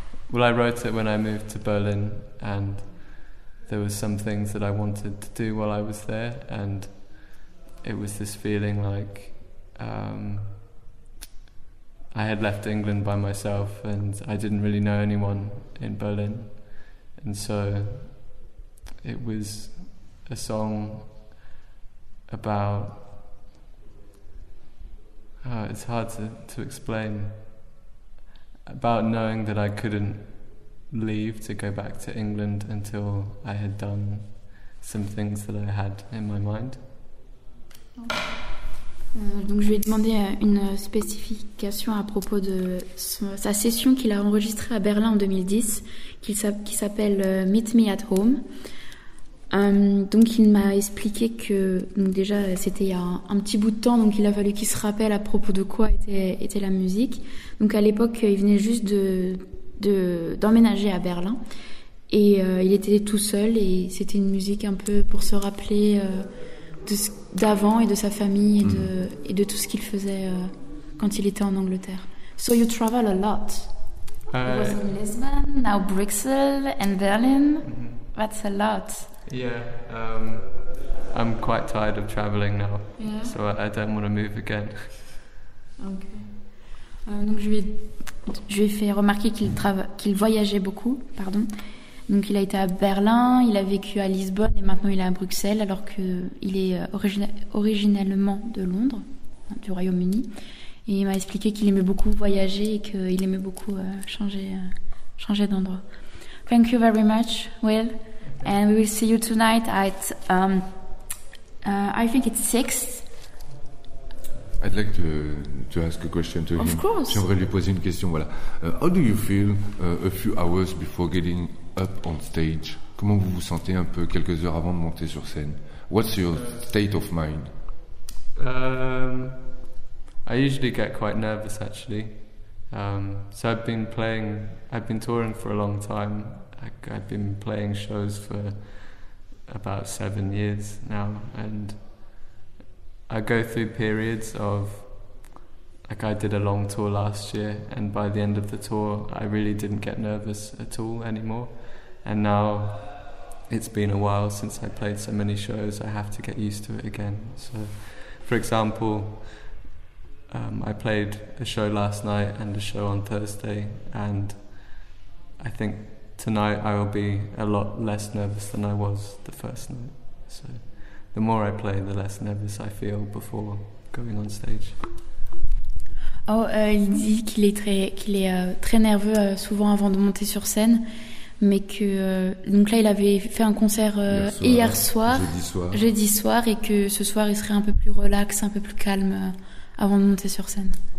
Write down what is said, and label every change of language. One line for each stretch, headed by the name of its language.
English: Well, I wrote it when I moved to Berlin, and there were some things that I wanted to do while I was there, and it was this feeling like I had left England by myself and I didn't really know anyone in Berlin, and so it was a song about it's hard to explain, about knowing that I couldn't leave to go back to England until I had done some things that I had in my mind.
French: Donc je lui ai demandé une spécification à propos de sa session qu'il a enregistrée à Berlin en 2010, qui s'appelle Meet Me at Home. Donc il m'a expliqué que déjà c'était il y a un petit bout de temps, donc il a fallu qu'il se rappelle à propos de quoi était la musique. Donc à l'époque, il venait juste d'emménager à Berlin, et il était tout seul, et c'était une musique un peu pour se rappeler d'avant et de sa famille et de tout ce qu'il faisait quand il était en Angleterre.
English: So you travel a lot. It was in Lisbon, now Brussels and Berlin. Mm-hmm. That's a lot. Yeah, I'm quite tired of traveling now, yeah. So I don't want to move again. Okay.
French: Donc je lui ai fait remarquer qu'il voyageait beaucoup, pardon. Donc il a été à Berlin, il a vécu à Lisbonne et maintenant il est à Bruxelles, alors qu'il est originellement de Londres, du Royaume-Uni. Et il m'a expliqué qu'il aimait beaucoup voyager et qu'il aimait beaucoup changer d'endroit.
English: Thank you very much, Will. And we will see you tonight at, I think it's 6. I'd like to ask a question to of him. Of course.
French: J'aimerais lui poser une question, voilà.
English: How do you feel a few hours before getting up on stage?
French: Comment vous vous sentez un peu quelques heures avant de monter sur scène?
English: What's your state of mind? I usually get quite nervous, actually. So I've been touring for a long time. I've been playing shows for about 7 years now, and I go through periods of, like, I did a long tour last year, and by the end of the tour, I really didn't get nervous at all anymore. And now, it's been a while since I played so many shows, I have to get used to it again. So, for example, I played a show last night and a show on Thursday, and I think tonight I will be a lot less nervous than I was the first night. So, the more I play, the less nervous I feel before going on stage.
French: Oh, il dit qu'il est très nerveux souvent avant de monter sur scène, mais que donc là il avait fait un concert hier soir, jeudi soir, et que ce soir il serait un peu plus relax, un peu plus calme avant de monter sur scène.